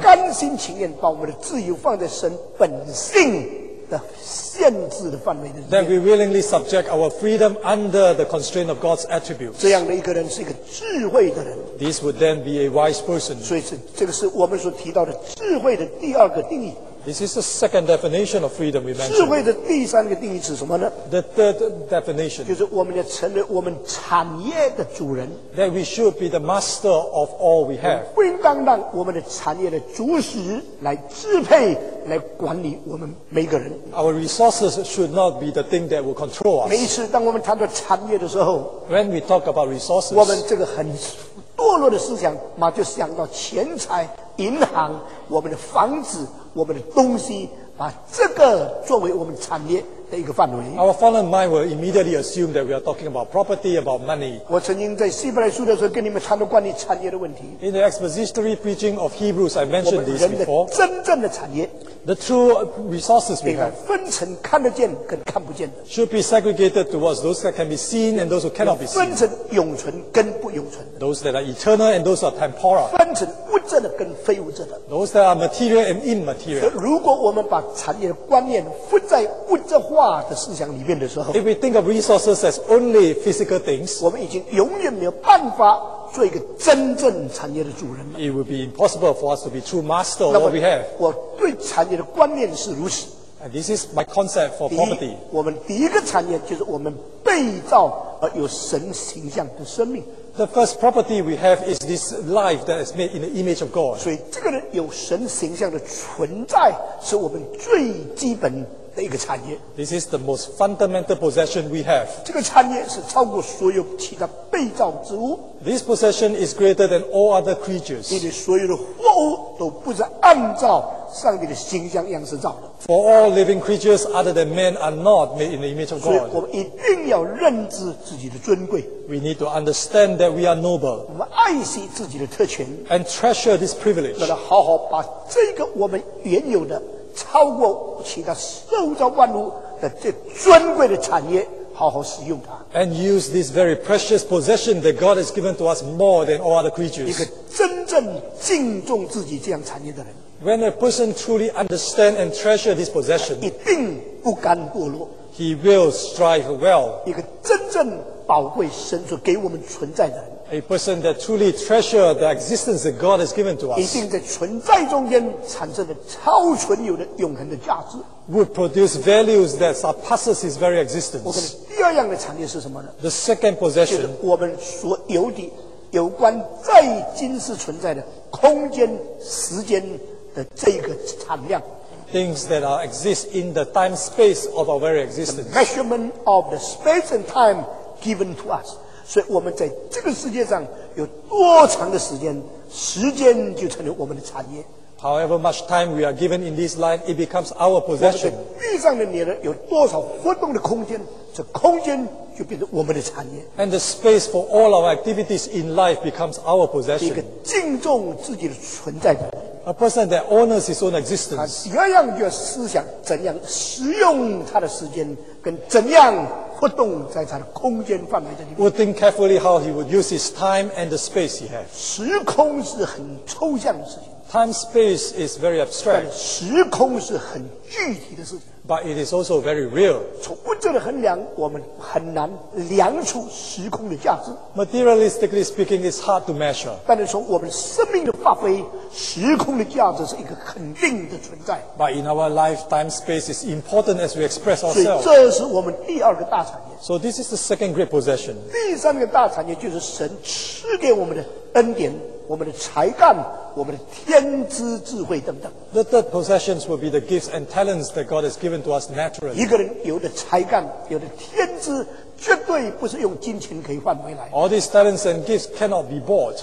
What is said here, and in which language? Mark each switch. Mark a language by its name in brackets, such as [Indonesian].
[Chinese] 甘心情愿把我们的自由放在神本性的限制的范围里面, [English] that we willingly subject our freedom under the constraint of God's attributes. [Chinese] 这样的一个人是一个智慧的人, [English] this would then be a wise person. [Chinese] 所以是,这个是我们所提到的智慧的第二个定义。 [English] This is the second definition of freedom we mentioned. [Chinese] 智慧的第三个定义是什么呢？ [English] The third definition. [Chinese] 就是我们要成为我们产业的主人。 [English] That we should be the master of all we have. [Chinese] 不应当让我们的产业的主使来支配，来管理我们每个人。 [English] Our resources should not be the thing that will control us. [Chinese] 每一次当我们谈到产业的时候， [English] When we talk about resources, [Chinese] 我们这个很堕落的思想嘛，就想到钱财、银行、我们的房子。我们的东西，把这个作为我们产业的一个范围。 [English] Our fallen mind will immediately assume that we are talking about property, about money. [Chinese] 我曾经在希伯来书的时候跟你们谈到关于产业的问题。 [English] In the expository preaching of Hebrews, I mentioned this before. [Chinese] 我们人的真正的产业。 [English] The true resources we have. 应 [Chinese] 该分成看得见跟看不见的。 [English] Should be segregated towards those that can be seen and those who cannot be seen. [Chinese] 分成永存跟不永存的。 [English] Those that are eternal and those that are temporal. [Chinese] 分成物质的跟非物质的。 [English] Those that are material and immaterial. [Chinese] 如果我们把产业的观念附在物质化的思想里面的时候， [English] If we think of resources as only physical things, [Chinese] 我们已经永远没有办法做一个真正产业的主人。 [English] It would be impossible for us to be true master of what we have. [Chinese] 我对产业的观念是如此。 [English] And this is my concept for property. [Chinese] 我们第一个产业就是我们被造而有神形象的生命。 [English] The first property we have is this life that is made in the image of God. [Chinese] 所以这个人有神形象的存在是我们最基本的一个产业。 [English] This is the most fundamental possession we have. [Chinese] 这个产业是超过所有其他被造之物。 [English] This possession is greater than all other creatures. [Chinese] 因为所有的货物都不是按照上帝的形象样式造的。 [English] For all living creatures other than man are not made in the image of God. [Chinese] 所以我们一定要认知自己的尊贵。 [English] We need to understand that we are noble. [Chinese] 我们爱惜自己的特权。 [English] And treasure this privilege. [Chinese] 让它好好把这个我们原有的超过其他受造万物的这尊贵的产业好好使用它。 [English] And use this very precious possession that God has given to us more than all other creatures. [Chinese] 一个真正敬重自己这样产业的人。 [English] When a person truly understands and treasures this possession, [Chinese] 一定不甘堕落。 [English] He will strive well. [Chinese] 一个真正宝贵神所给我们存在的人。 [English] A person that truly treasures the existence that God has given to us. [Chinese] 一定在存在中间产生了超存有的永恒的价值。 [English] Would produce values that surpasses his very existence. [Chinese] 我们第二样的产业是什么呢？ [English] The second possession. [Chinese] 就是我们所有的有关在今世存在的空间、时间的这个产量。 [English] Things that are exist in the time space of our very existence. The measurement of the space and time given to us. [Chinese] 所以我们在这个世界上有多长的时间，时间就成为我们的产业。 [English] However much time we are given in this life, it becomes our possession. [Chinese] 我们在地上的年龄有多少活动的空间，这空间就变成我们的产业。 [English] And the space for all our activities in life becomes our possession. [Chinese] 一个敬重自己的存在感。 [English] A person that honors his own existence. [Chinese] 第二样就要思想怎样使用他的时间，跟怎样活动在他的空间范围的里面。 [English] Would think carefully how he would use his time and the space he has. [Chinese] 时空是很抽象的事情。 [English] Time space is very abstract. [Chinese] 但时空是很具体的事情。 [English] But it is also very real. [Chinese] 从物质的衡量，我们很难量出时空的价值。 [English] Materialistically speaking, it's hard to measure. [Chinese] 但是从我们生命的发挥，时空的价值是一个肯定的存在。 [English] But in our life, time space is important as we express ourselves. [Chinese] 所以这是我们第二个大产业。 [English] So this is the second great possession. [Chinese] 第三个大产业就是神赐给我们的恩典。我们的才干，我们的天资智慧等等。 [English] The third possessions will be the gifts and talents that God has given to us naturally. [Chinese] 一个人有的才干，有的天资，绝对不是用金钱可以换回来。 All these talents and gifts cannot be bought.